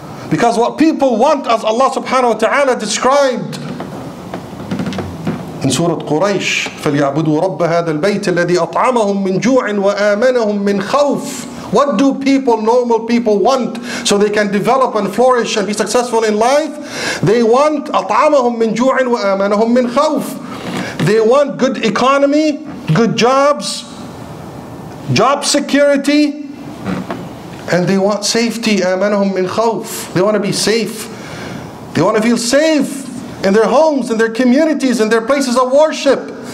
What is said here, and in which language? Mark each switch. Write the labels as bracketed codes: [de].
[en] Because what people want, as Allah subhanahu wa ta'ala described in Surah Quraysh, [ar] فَلْيَعْبُدُوا رَبَّ هَذَا الْبَيْتِ الَّذِي أَطْعَمَهُمْ مِنْ جُوعٍ وَآمَنَهُمْ مِنْ خَوْفٍ. [en] What do people, normal people, want so they can develop and flourish and be successful in life? They want [ar] أَطْعَمَهُمْ مِنْ جُوعٍ وَآمَنَهُمْ مِنْ خَوْفٍ. [en] They want good economy, good jobs, job security, and they want safety. [ar] آمَنَهُمْ مِنْ خَوْفٍ. [en] They want to be safe. They want to feel safe in their homes, in their communities, in their places of worship.